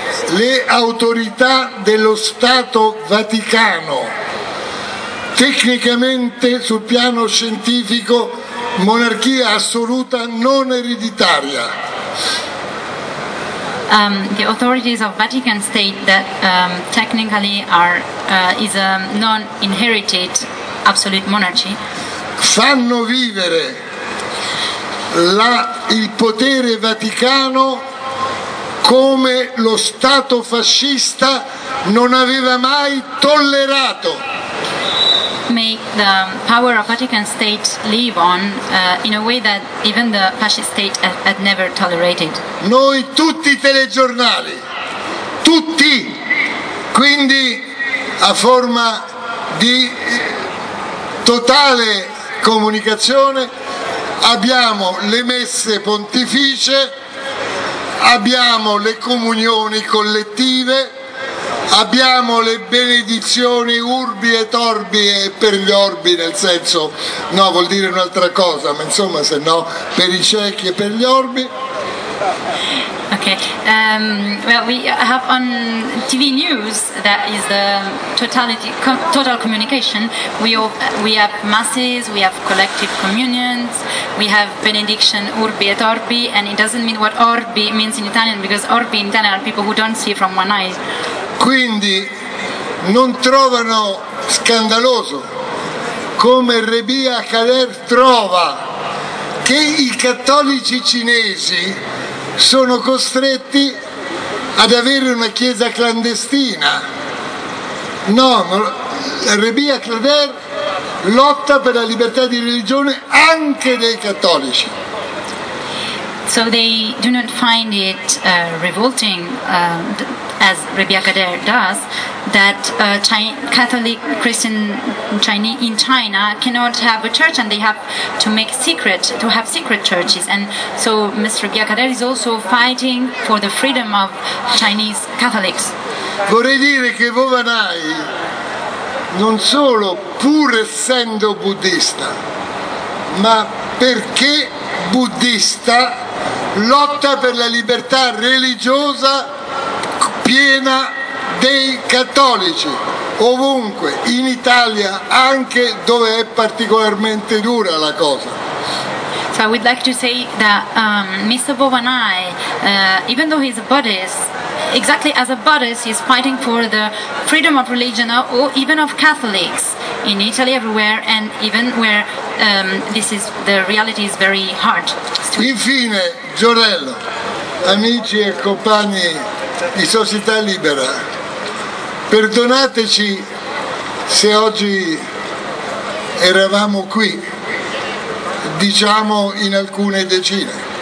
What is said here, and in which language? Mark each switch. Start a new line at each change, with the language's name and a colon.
Italian: Le autorità dello Stato Vaticano, tecnicamente sul piano scientifico, monarchia assoluta non ereditaria.
English: The authorities of Vatican State that technically are is a non-inherited absolute monarchy.
Italian: Fanno vivere il potere vaticano come lo Stato fascista non aveva mai tollerato.
English: Make the power of Vatican State live on in a way that even the fascist state had never tolerated.
Italian: Noi tutti i telegiornali, tutti, quindi a forma di totale comunicazione, abbiamo le messe pontificie, abbiamo le comunioni collettive, abbiamo le benedizioni urbi e torbi e per gli orbi, nel senso, no, vuol dire un'altra cosa, ma insomma, se no, per i ciechi e per gli orbi.
English: Okay, well, we have on TV news, that is the total communication, we have masses, we have collective communions, we have benediction urbi et orbi, and it doesn't mean what orbi means in Italian, because orbi in Italian are people who don't see from one eye.
Italian: Quindi non trovano scandaloso come Rebia Khaled trova che i cattolici cinesi sono costretti ad avere una chiesa clandestina. No, Rebia Khaled lotta per la libertà di religione anche dei cattolici.
English: So they do not find it revolting, as Rebia Khaled does, that Catholic Christian Chinese in China cannot have a church and they have to make secret, to have secret churches. And so Ms. Rebia Khaled is also fighting for the freedom of Chinese Catholics.
Italian: Vorrei dire che Vovanai, non solo pur essendo buddista, ma perché buddista, lotta per la libertà religiosa piena dei cattolici, ovunque, in Italia, anche dove è particolarmente dura la cosa.
English: So I would like to say that Mr. Bovanai, even though he's a Buddhist, exactly as a Buddhist, he's fighting for the freedom of religion or even of Catholics in Italy, everywhere, and even where this is the reality is very hard.
Italian: Infine, Giorello, amici e compagni di Società Libera, perdonateci se oggi eravamo qui, diciamo in alcune decine,